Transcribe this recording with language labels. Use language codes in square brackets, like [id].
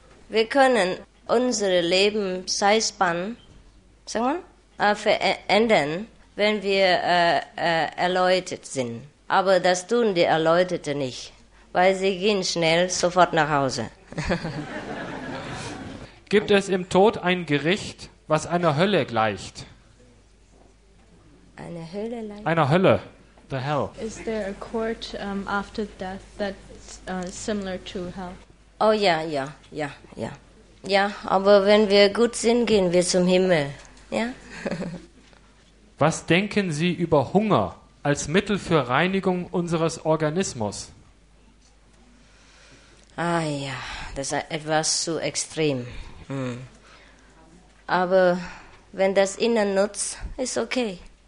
[de] Wir können unsere Lebenszeitspanne verändern, wenn wir erläutert sind. Aber das tun die Erläuterten nicht, weil sie gehen schnell sofort nach Hause. Gibt es im Tod ein Gericht, was einer Hölle gleicht? Eine Hölle gleicht? Einer Hölle, [en] the hell. Is there a court after death that's similar to hell? [de] Oh ja, ja, ja, ja. Ja, aber wenn wir gut sind, gehen wir zum Himmel. Ja? Was denken Sie über Hunger als Mittel für Reinigung unseres Organismus? Ah ja, das ist etwas zu extrem. Aber wenn das innen nutzt, ist okay.